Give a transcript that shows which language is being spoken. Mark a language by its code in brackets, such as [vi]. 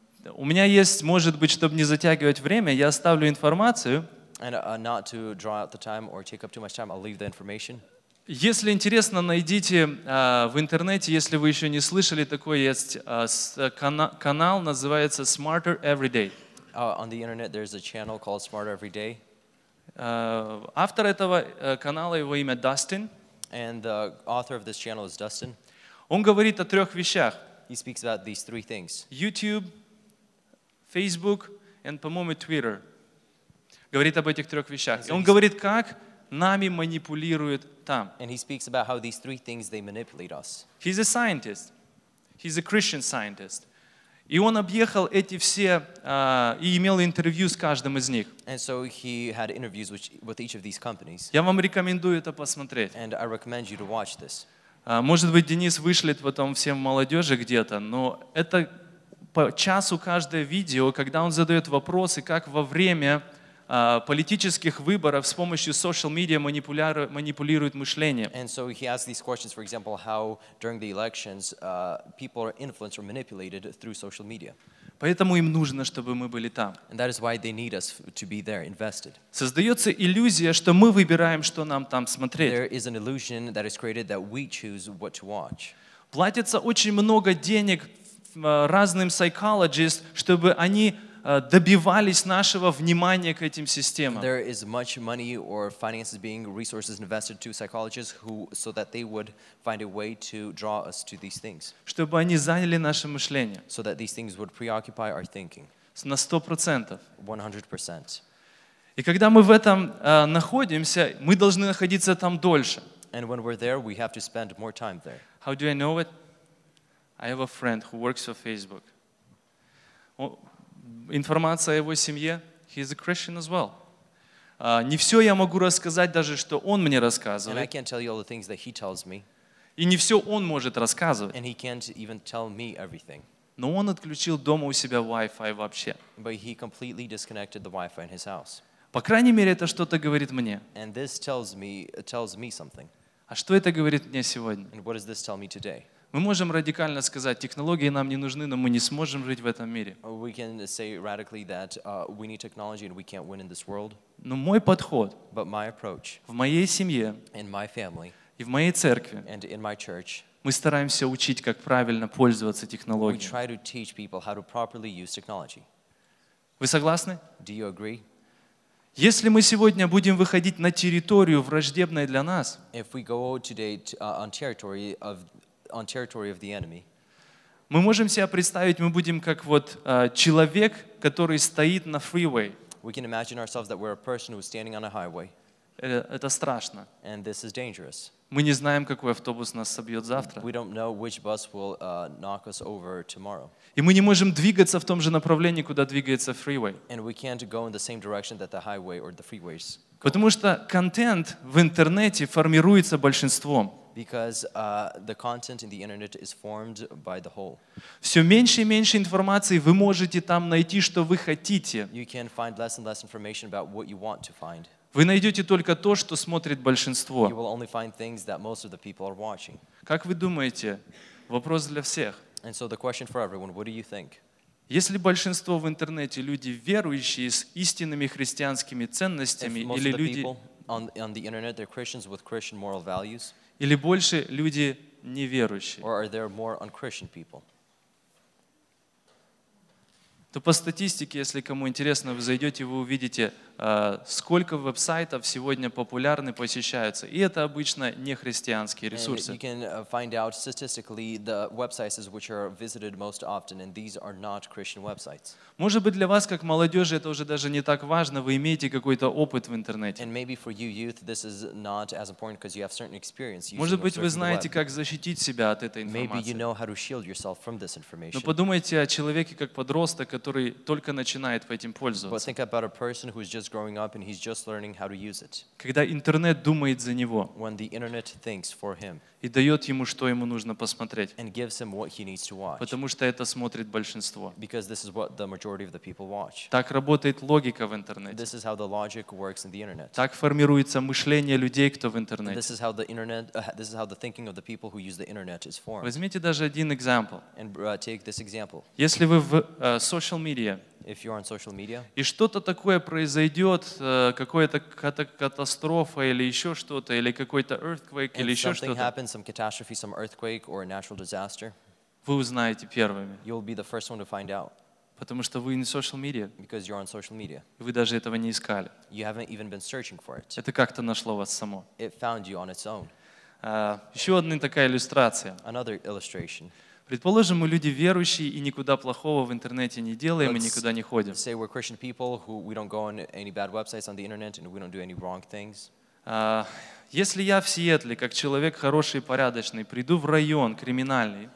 [ru] У меня есть, может быть, чтобы не затягивать время, я оставлю информацию. [en] And not to draw out the time or take up too much time, I'll leave the information. [ru] Если интересно, найдите в интернете, если вы еще не слышали, такой есть канал, называется Smarter Every Day. [en] On the internet, there's a channel called Smarter Every Day. [ru] Автор этого канала, его имя Dustin. [en] And the author of this channel is Dustin. [ru] Он говорит о трех вещах. He speaks about these three things. YouTube, Facebook, and, по-моему, Twitter. Говорит об этих трех вещах. Он говорит, как нами манипулируют там. [en] And he speaks about how these three things, they manipulate us. He's a scientist. He's a Christian scientist. [ru] И он объехал эти все, и имел интервью с каждым из них. [en] And so he had interviews with each of these companies. [ru] Я вам рекомендую это посмотреть. [en] And I recommend you to watch this. [ru] Может быть, Денис вышлет потом всем молодежи где-то, но это по часу каждое видео, когда он задает вопросы, как во время политических выборов с помощью social media манипулируют мышление. [en] And so he asks these questions, for example, how during the elections people are influenced or manipulated through social media. [ru] Поэтому им нужно, чтобы мы были там. [en] And that is why they need us to be there, invested. [ru] Создается иллюзия, что мы выбираем, что нам там смотреть. [en] There is an illusion that is created that we choose what to watch. [ru] Платится очень много денег разным психологам, чтобы они добивались нашего внимания к этим системам. [en] There is much money or finances being resources invested to psychologists who, so that they would find a way to draw us to these things. [ru] Чтобы они заняли наше мышление. [en] So that these things would preoccupy our thinking. [ru] На 100%. [en] 100%. [ru] И когда мы в этом находимся, мы должны находиться там дольше. [en] And when we're there, we have to spend more time there. How do I know it? I have a friend who works for Facebook. [ru] Информация о его семье. [en] He is a Christian as well. [ru] Не все я могу рассказать, даже что он мне рассказывает. [en] And I can't tell you all the things that he tells me. [ru] И не все он может рассказывать. [en] And he can't even tell me everything. [ru] Но он отключил дома у себя Wi-Fi вообще. [en] But he completely disconnected the Wi-Fi in his house. [ru] По крайней мере, это что-то говорит мне. [en] And this tells me something. [ru] А что это говорит мне сегодня? [en] And what does this tell me today? [ru] Мы можем радикально сказать, технологии нам не нужны, но мы не сможем жить в этом мире. [en] We can say radically that we need technology and we can't win in this world. [ru] Но мой подход, [en] but my approach, [ru] в моей семье, [en] in my family, [ru] и в моей церкви, [en] and in my church, [ru] мы стараемся учить, как правильно пользоваться технологией. [en] We try to teach people how to properly use technology. [ru] Вы согласны? [en] Do you agree? [ru] Если мы сегодня будем выходить на территорию, враждебную для нас, [en] if we go today on territory of on territory of the enemy. [ru] Мы можем себе представить, мы будем как вот человек, который стоит на freeway. [en] We can imagine ourselves that we're a person who's standing on a highway. [ru] Это страшно. [en] And this is dangerous. [ru] Мы не знаем, какой автобус нас собьет завтра. [en] We don't know which bus will knock us over tomorrow. [ru] И мы не можем двигаться в том же направлении, куда двигается freeway. [en] And we can't go in the same direction that the highway or the freeways go. [ru] Потому что контент в интернете формируется большинством. [en] Because the content in the internet is formed by the whole. [ru] Все меньше и меньше информации вы можете там найти, что вы хотите. [en] You can find less and less information about what you want to find. [ru] Вы найдете только то, что смотрит большинство. [en] You will only find things that most of the people are watching. [ru] Как вы думаете? Вопрос для всех. [en] And so the question for everyone: what do you think? [ru] Если большинство в интернете люди верующие с истинными христианскими ценностями, или люди [en] on the internet they're Christians with Christian moral values? [ru] Или больше люди неверующие. [en] Or are there more un-Christian people? [ru] То по статистике, если кому интересно, вы зайдете, вы увидите, сколько веб-сайтов сегодня популярны, посещаются. И это обычно нехристианские ресурсы. [en] And you can find out statistically the websites which are visited most often, and these are not Christian websites. [ru] Может быть, для вас, как молодежи, это уже даже не так важно, вы имеете какой-то опыт в интернете. [en] And maybe for you, youth, this is not as important because you have certain experience using. [ru] Может быть, вы знаете, как защитить себя от этой информации. [en] Maybe you know how to shield yourself from this information. [ru] Но подумайте о человеке, как подросток, который только начинает этим пользоваться. [en] But think about a person who's just growing up and he's just learning how to use it. [ru] Когда интернет думает за него. [en] When the internet thinks for him. [ru] И дает ему, что ему нужно посмотреть. [en] And gives him what he needs to watch. [ru] Потому что это смотрит большинство. [en] Because this is what the majority of the people watch. [ru] Так работает логика в интернете. [en] This is how the logic works in the internet. [ru] Так формируется мышление людей, кто в интернете. [en] This is how the internet, this is how the thinking of the people who use the internet is formed. [ru] Возьмите даже один example. [en] And take this example. [ru] Если вы в social [en] social media, if you're on social media, [ru] и что-то такое произойдет, какая-то катастрофа или еще что-то, или какой-то earthquake, или еще что-то, [en] happens, some catastrophe, some earthquake or a natural disaster, [ru] вы узнаете первыми. [en] You'll be the first one to find out. [ru] Потому что вы не social media. [en] Because you're on social media. [ru] Вы даже этого не искали. [en] You haven't even been searching for it. [ru] Это как-то нашло вас само. [en] It found you on its own. [ru] Еще одна такая иллюстрация. [en] Another illustration. [ru] Предположим, мы люди верующие и никуда плохого в интернете не делаем [en] Let's [ru] и никуда не ходим. [en] Say we're Christian people who we don't go on any bad websites on the internet and we don't do any wrong things. [ru] Если я в Сиэтле, как человек хороший и порядочный, приду в район криминальный,